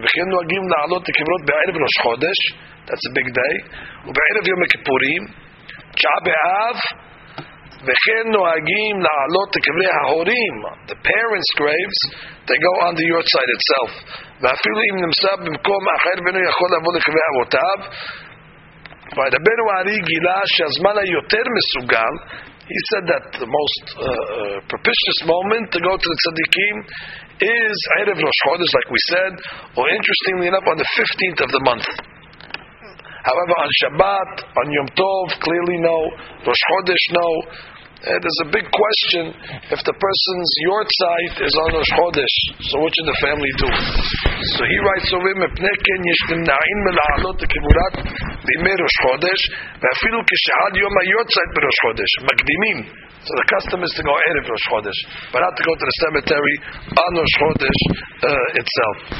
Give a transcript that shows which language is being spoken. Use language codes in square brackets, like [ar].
[he] וכן נוהגים לעלות לקברות בערב ראש חודש, that's a big day, ובערב יום הכיפורים, תשעה באב, וכן נוהגים לעלות לקברי ההורים, the parents' graves, they go on the yahrzeit itself. [en] ואפילו אם נמצא במקום אחר ואינו יכול לבוא לקברי אבותיו, והרבנו הארי גילה שהזמן היותר מסוגל, he said that the most propitious moment to go to the tzaddikim is ערב ראש חודש, like we said, or interestingly enough on the 15th of the month. However, on Shabbat, on Yom Tov, clearly no, ראש חודש no. There's a big question if the person's yahrzeit is on ראש חודש, so what should the family do? [he] So he writes over him, מפני כן יש נמנעים מלעלות לקבורת בימי ראש חודש, ואפילו כשעד יום היורצייט בראש חודש, מקדימים. [en] So the custom is to go ערב ראש חודש, but not to go to the cemetery on ראש חודש itself.